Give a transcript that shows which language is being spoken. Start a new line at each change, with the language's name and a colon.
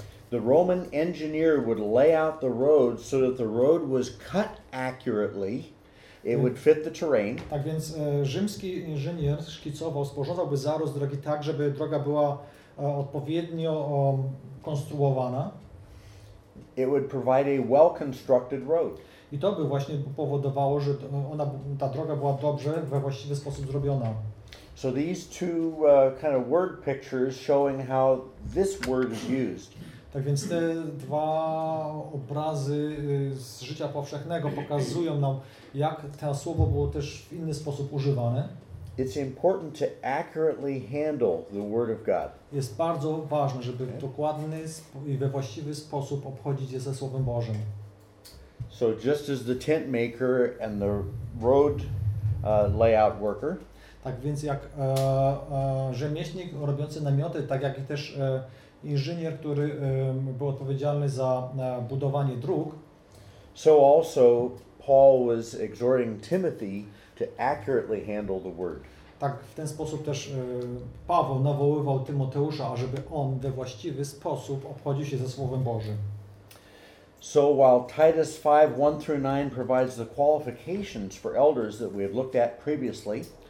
English: The Roman engineer would lay out the road so that the road was cut accurately. It would fit the terrain.
Polish: Tak więc rzymski inżynier szkicował, sporządzałby zarys drogi tak, żeby droga była odpowiednio konstruowana.
English: It would provide a well-constructed road.
Polish: I to by właśnie powodowało, że ona, ta droga była dobrze we właściwy sposób zrobiona.
English: So these two kind of word pictures showing how this word is used.
Polish: Tak więc te dwa obrazy z życia powszechnego pokazują nam, jak to słowo było też w inny sposób używane.
English: It's important to accurately handle the word of God.
Polish: Jest bardzo ważne, żeby w dokładny i we właściwy sposób obchodzić się ze Słowem Bożym.
English: So just as the tent maker and the road layout worker.
Polish: Tak więc jak rzemieślnik robiący namioty, tak jak i też inżynier, który był odpowiedzialny za budowanie dróg.
English: So also Paul was exhorting Timothy to accurately handle the word.
Polish: Tak w ten sposób też Paweł nawoływał Tymoteusza, ażeby on we właściwy sposób obchodził się ze Słowem Bożym.
English: So while Titus 5:1-9 provides the qualifications for elders that we have looked at previously.